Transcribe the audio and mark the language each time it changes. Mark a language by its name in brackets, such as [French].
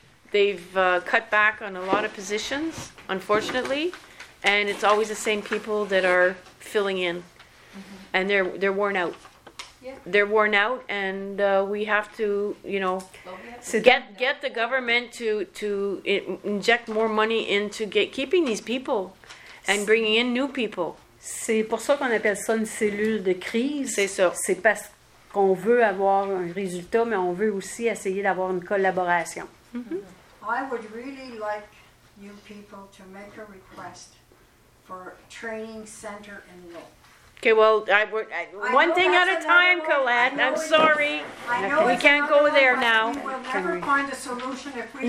[English] They've cut back on a lot of positions, unfortunately, and it's always the same people that are filling in. Mm-hmm. And they're worn out. Yeah. They're worn out, and we have to, you know, get the government to inject more money into keeping these people and bringing in new people. [French] C'est pour ça qu'on appelle ça une cellule de crise. C'est ça. C'est parce qu'on veut avoir un résultat, mais on veut aussi essayer d'avoir une collaboration. [English] Mm-hmm. I would really like you people to make a request for training center in Lowell. Okay, well, one thing at a time, Colette. I'm sorry. We can't go there now. We'll never find a solution if we...